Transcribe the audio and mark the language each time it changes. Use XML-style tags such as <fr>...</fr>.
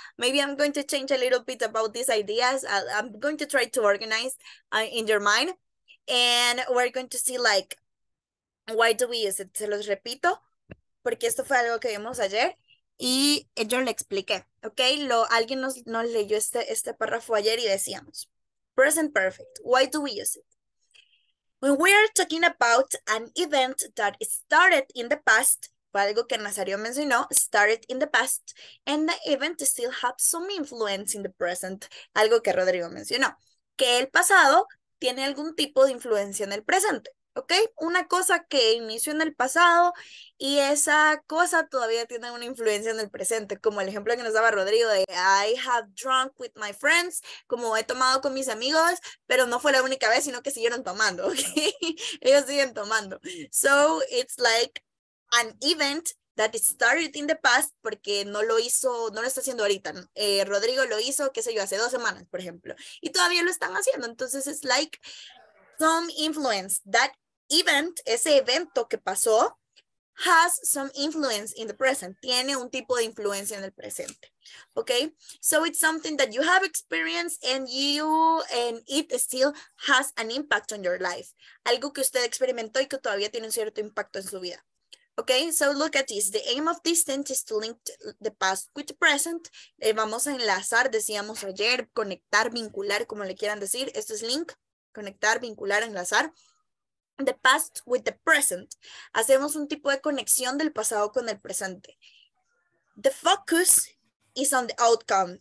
<en>Maybe I'm going to change a little bit about these ideas. I'm going to try to organize in your mind. And we're going to see, like, why do we use it?</en> <es>Se los repito. Porque esto fue algo que vimos ayer y yo le expliqué, ¿ok? Alguien nos leyó este párrafo ayer y decíamos, present perfect,</es> <en>why do we use it? When we are talking about an event that started in the past,</en> <es>fue algo que Nazario mencionó,</es> <en>started in the past, and the event still has some influence in the present,</en> <es>algo que Rodrigo mencionó, que el pasado tiene algún tipo de influencia en el presente.</es> <en>¿Ok?</en> <es>Una cosa que inició en el pasado y esa cosa todavía tiene una influencia en el presente. Como el ejemplo que nos daba Rodrigo de</es> <en>I have drunk with my friends,</en> <es>como he tomado con mis amigos, pero no fue la única vez, sino que siguieron tomando. ¿Ok? Ellos siguen tomando.</es> <en>So, it's like an event that started in the past</en> <es>porque no lo está haciendo ahorita. Rodrigo lo hizo, qué sé yo, hace 2 semanas, por ejemplo. Y todavía lo están haciendo.</es> <en>Entonces, it's like some influence, that event,</en> <es>ese evento que pasó,</es> <en>has some influence in the present.</en> <es>Tiene un tipo de influencia en el presente. Okay?</es> <en>So it's something that you have experienced and it still has an impact on your life.</en> <es>Algo que usted experimentó y que todavía tiene un cierto impacto en su vida. Okay?</es> <en>So look at this. The aim of this sentence is to link the past with the present.</en> <es>Vamos a enlazar, decíamos ayer, conectar, vincular, como le quieran decir. Esto es link. Conectar, vincular, enlazar.</es> <en>The past with the present.</en> <es>Hacemos un tipo de conexión del pasado con el presente.</es> <en>The focus is on the outcome.</en>